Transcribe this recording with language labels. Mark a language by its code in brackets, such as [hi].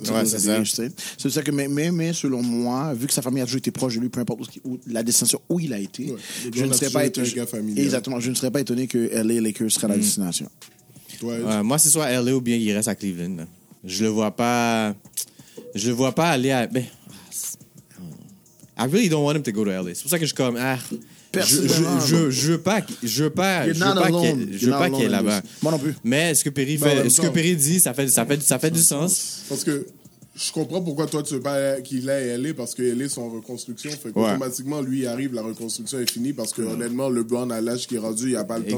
[fr] ça. Ouais, c'est ça. Riche, c'est ça que, mais selon moi, vu que sa famille a toujours été proche de lui, peu importe où, la destination où il a été, je ne serais pas étonné que LA Lakers serait la destination. Moi, c'est soit LA ou bien il reste à Cleveland. Je le vois pas aller à... [en] Ben, I really don't want him to go to LA. [fr] C'est pour ça que je suis comme... Ah, je veux pas qu'il est là-bas. Moi non plus. Mais ce que Perry dit, ça fait du sens. Parce que je comprends pourquoi toi tu veux pas qu'il aille à LA, parce qu'il est en reconstruction. Fait qu'automatiquement, lui, il arrive, la reconstruction est finie, parce que honnêtement, LeBron à l'âge qui est rendu, il n'y a pas le temps.